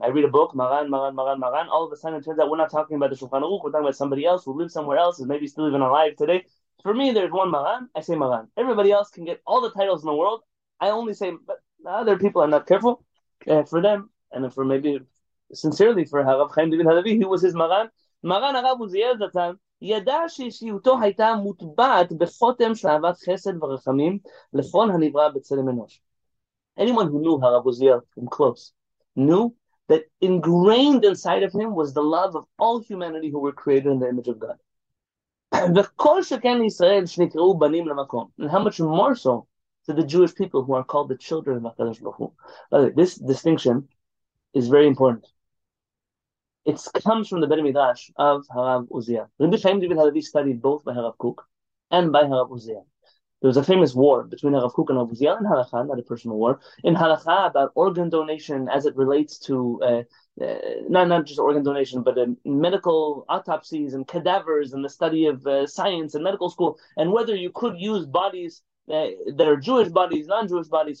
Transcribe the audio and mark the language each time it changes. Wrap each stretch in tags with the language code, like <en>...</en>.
<en>I read a book, Maran, all of a sudden it turns out we're not talking about the Shulchan Aruch, we're talking about somebody else who lives somewhere else, is maybe still even alive today. For me, there's one Maran, I say Maran. Everybody else can get all the titles in the world, I only say, but the other people are not careful. For them, and for maybe, sincerely, for Harav Chaim Divin Halevi, he was his Maran,</en> <he>מרן הרב עוזיאל זצ"ל ידע שאישיותו הייתה מוטבעת בחותם של אהבת חסד ורחמים לכל הנברא בצלם אנוש.</he> <en>Anyone who knew הרב עוזיאל from close knew that ingrained inside of him was the love of all humanity who were created in the image of God.</en> <he>וכל שכן לישראל שנקראו בנים למקום.</he> <en>And how much more so to the Jewish people who are called the children of HaKadosh Baruch Hu. By the way, this distinction is very important. It comes from the Beit Midrash of Harav Uziel. Rabbi Chaim Divin Halevi studied both by Harav Kook and by Harav Uziel. There was a famous war between Harav Kook and Harav Uziel in Halacha, not a personal war, in Halacha about organ donation as it relates to, not just organ donation, but medical autopsies and cadavers and the study of science and medical school, and whether you could use bodies that are Jewish bodies, non-Jewish bodies.</en>